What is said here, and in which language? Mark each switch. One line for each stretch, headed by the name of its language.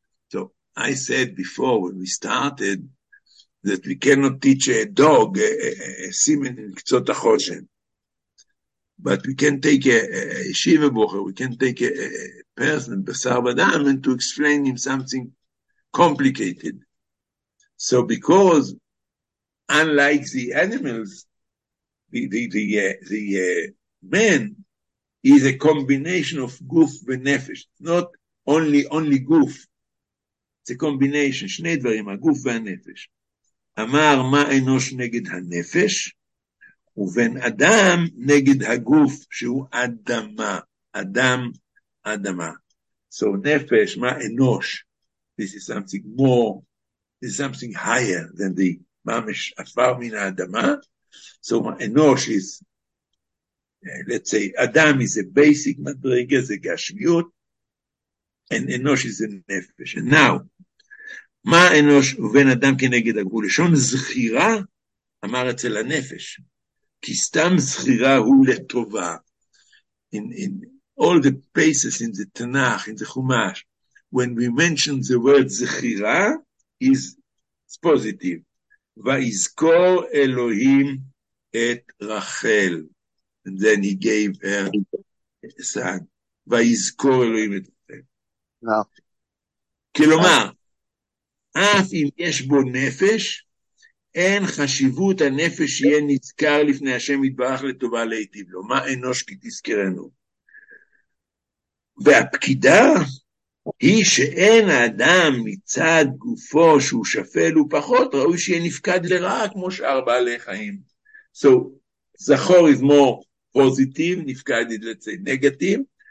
English: So I said before when we started that we cannot teach a dog a simen in Ktzot HaChoshen, but we can take a Shiva Bocher, we can take a person Basar Badam and to explain him something complicated. So because unlike the animals, the man is a combination of Guf and Nefesh, not only Guf. It's a combination,
Hebrew: שני דברים, הגוף והנפש. אמר, מה אנוש נגד הנפש? ובן אדם נגד הגוף, שהוא אדמה. אדם, אדמה.
English: So,
Hebrew: נפש, מה אנוש?
English: This is something more, this is something higher than the
Hebrew: ממש עפר מן האדמה.
English: So, מה אנוש is, let's say,
Hebrew: אדם is a basic מדרגה, זה גשמיות,
English: and אנוש is a נפש. And now,
Hebrew: מה אנוש ובן אדם כנגד הגבול? לשון זכירה אמר אצל הנפש, כי סתם זכירה הוא לטובה.
English: In all the places in the Tanakh, in the Chumash, when we mention the word זכירה, it's positive.
Hebrew: ויזכור אלוהים את רחל.
English: And then he gave her a son.
Hebrew: ויזכור אלוהים את רחל. כלומר, אף אם יש בו נפש, אין חשיבות הנפש שיהיה נזכר לפני השם יתברך לטובה להיטיב לו. מה אנוש כי תזכרנו? והפקידה היא שאין האדם מצד גופו שהוא שפל ופחות, ראוי שיהיה נפקד לרעה כמו שאר בעלי חיים.
English: So, זכור is more positive, נפקד is let's say negative.